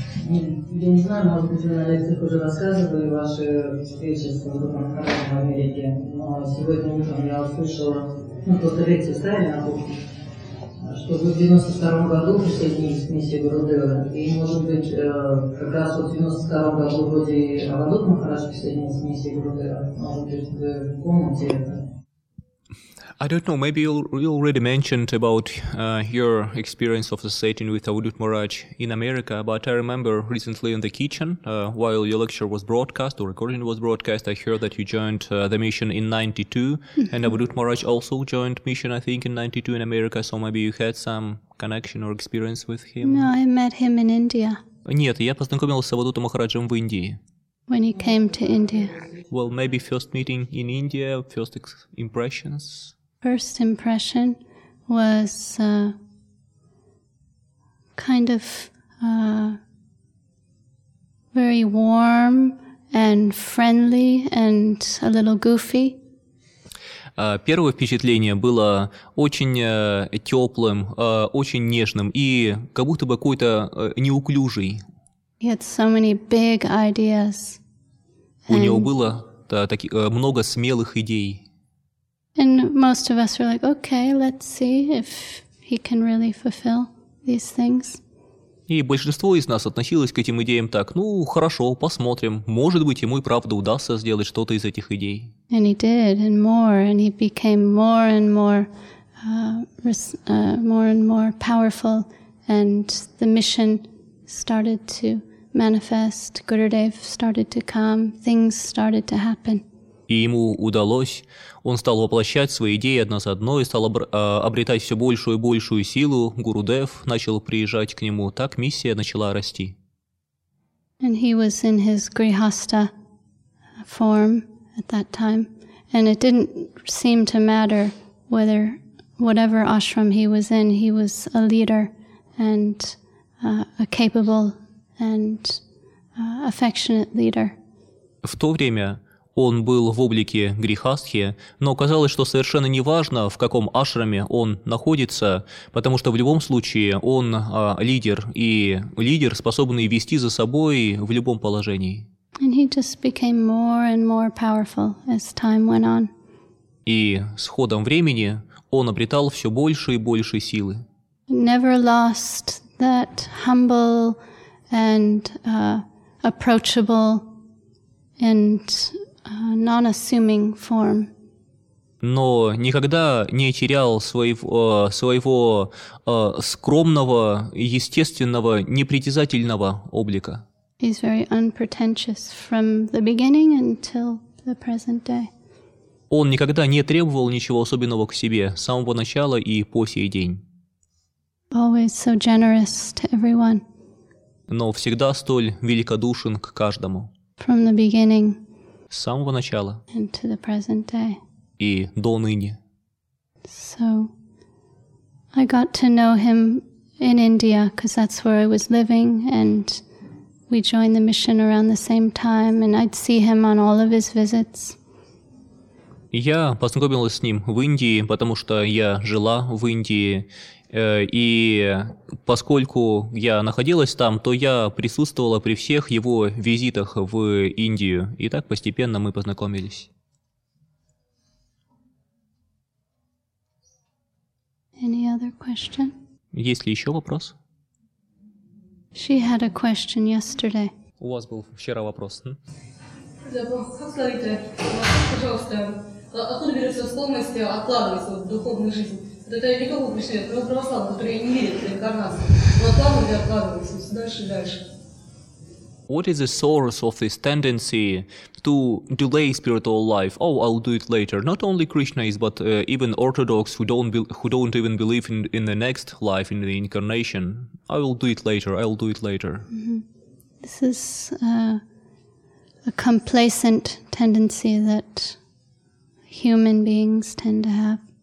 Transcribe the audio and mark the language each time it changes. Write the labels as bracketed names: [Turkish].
[Russian] Я не знаю, может быть, вы на лекциях уже рассказывали ваши встречи с Махараджем в Америке, но сегодня утром я услышала, просто лекцию ставили на кухне, что вы в 92-м году присоединились к миссии Гурудева, и, может быть, как раз вот в 92-м году вроде Абадут Махарадж присоединился к миссии Гурудева, может быть, вы помните это? [English] I don't know, maybe you already mentioned about your experience of the setting with Avadhut Maharaj in America, but I remember recently in the kitchen, while your lecture was broadcast, or recording was broadcast, I heard that you joined the mission in 92, and Avadhut Maharaj also joined mission, I think, in 92 in America, so maybe you had some connection or experience with him? No, I met him in India. [Russian] Нет, я познакомился с Авадхутом Махараджем в Индии. [English] When he came to India. Well, maybe first meeting in India, first impressions. First impression was kind of very warm and friendly and a little goofy. [Russian] Первое впечатление было очень теплым, очень нежным и как будто бы какой-то неуклюжий. [English] He had so many big ideas. [Russian] У него было много смелых идей. [English] And most of us were like, okay, let's see if he can really fulfill these things. [Russian] И большинство из нас относилось к этим идеям так, ну, хорошо, посмотрим. Может быть, ему и правда удастся сделать что-то из этих идей. [English] And he did, and he became more and more, more and more powerful, and the mission started to manifest, Gurudev started to come, things started to happen. [Russian] И ему удалось, он стал воплощать свои идеи одна за одной, стал обретать все большую и большую силу, Гурудев начал приезжать к нему, так миссия начала расти. [English] And he was in his Grihastha form at that time, and it didn't seem to matter whether, whatever ashram he was in, he was a leader and a capable and affectionate leader. [Russian] В то время он был в облике грихастхи, но казалось, что совершенно не важно, в каком ашраме он находится, потому что в любом случае он лидер, и лидер, способный вести за собой в любом положении. [English] And he just became more and more powerful as time went on. [Russian] И с ходом времени он обретал все больше и больше силы. [English] Never lost that humble and approachable and non-assuming form. [Russian] Но никогда не терял своего скромного, естественного, непритязательного облика. [English] He's very unpretentious from the beginning until the present day. [Russian] Он никогда не требовал ничего особенного к себе с самого начала и по сей день. [English] Always so generous to everyone. [Russian] Но всегда столь великодушен к каждому. [English] From the beginning. [Russian] С самого начала. [English] And to the present day. [Russian] И до ныне. [English] So, I got to know him in India, because that's where I was living, and we joined the mission around the same time, and I'd see him on all of his visits. [Russian] Я познакомилась с ним в Индии, потому что я жила в Индии, и поскольку я находилась там, то я присутствовала при всех его визитах в Индию. И так постепенно мы познакомились. [English] Any other question? [Russian] Есть ли еще вопрос? [English] She had a question yesterday. [Russian] У вас был вчера вопрос. Да, пожалуйста. Откуда берется условность откладывать вот, духовную жизнь? Это не только пришли, это православные, которые не верят в реинкарнацию. Но откладывать и откладывать вот, дальше и дальше. [English] What is the source of this tendency to delay spiritual life? Oh, I'll do it later. Not only Krishnaists, but even Orthodox who don't even believe in the next life, in the incarnation. I'll do it later. Mm-hmm. This is a complacent tendency that human beings tend to have.